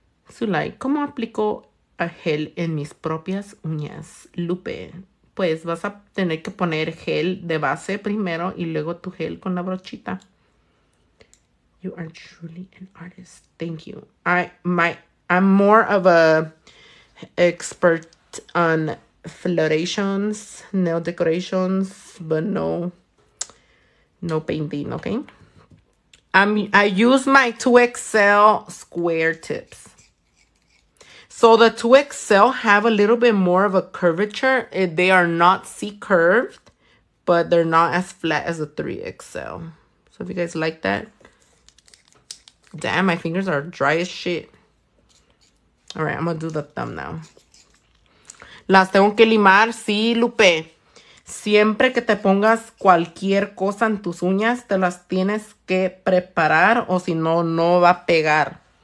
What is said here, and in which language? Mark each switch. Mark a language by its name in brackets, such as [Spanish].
[English] So, like, [Spanish] ¿cómo aplico a gel en mis propias uñas? Lupe, pues vas a tener que poner gel de base primero y luego tu gel con la brochita. [English] You are truly an artist. Thank you. I'm more of a expert on florations, nail decorations, but no painting, okay? I use my 2XL square tips. So the 2XL have a little bit more of a curvature. They are not C-curved, but they're not as flat as a 3XL. So if you guys like that. Damn, my fingers are dry as shit. All right, I'm going to do the thumb now. [Spanish] Las tengo que limar, sí, Lupe. Siempre que te pongas cualquier cosa en tus uñas, te las tienes que preparar o si no, no va a pegar.